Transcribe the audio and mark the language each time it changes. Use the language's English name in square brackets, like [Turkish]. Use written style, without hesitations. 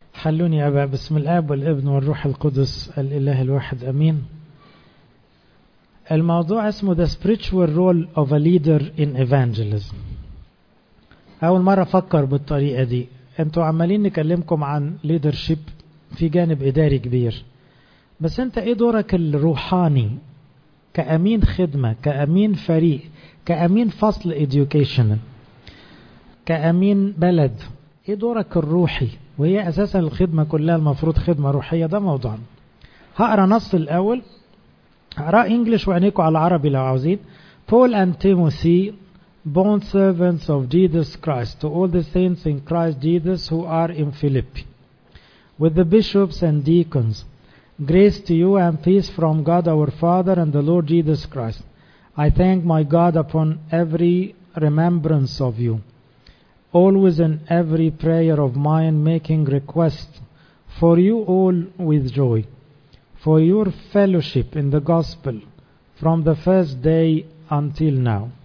[Arabic] حلوني أبا بسم الآب والابن والروح القدس الإله الواحد أمين. الموضوع اسمه [English] The Spiritual Role of a Leader in Evangelism. [Arabic] أول مرة أفكر بالطريقة دي. أنتوا عمالين نكلمكم عن leadership في جانب إداري كبير، بس أنت إيه دورك الروحاني كأمين خدمة، كأمين فريق، كأمين فصل education، كأمين بلد؟ إيه دورك الروحي؟ وهي أساسا الخدمة كلها المفروض خدمة روحية. ده موضوع. هقرأ نص الأول، هقرأ إنجليش وعنيكوا على العربي لو عاوزين. [English] Paul and Timothy, bond servants of Jesus Christ, to all the saints in Christ Jesus who are in Philippi, with the bishops and deacons, grace to you and peace from God our Father and the Lord Jesus Christ. I thank my God upon every remembrance of you, always in every prayer of mine, making request for you all with joy, for your fellowship in the gospel from the first day until now,